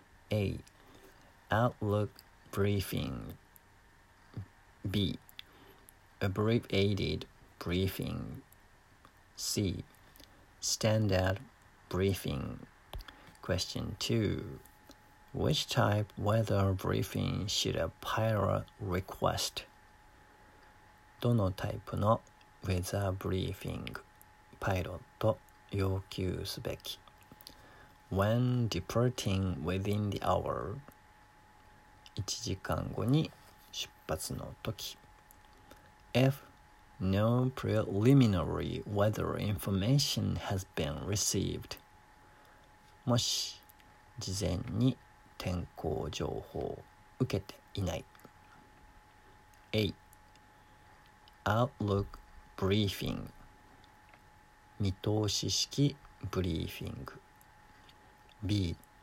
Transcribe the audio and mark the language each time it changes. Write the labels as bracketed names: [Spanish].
[English] A. Outlook briefing. B. Abbreviated briefing. C. Standard briefing. Question 2. Which type weather briefing should a pilot request? [Japanese] どのタイプのウェザーブリーフィングパイロット要求すべき? [English] When departing within the hour? [Japanese] 1時間後に出発の時。 [English] If no preliminary weather information has been received. [Japanese] もし事前に天候情報を受けていない。 [English] A. Outlook Briefing [Japanese] 見通し式ブリーフィング [English] B.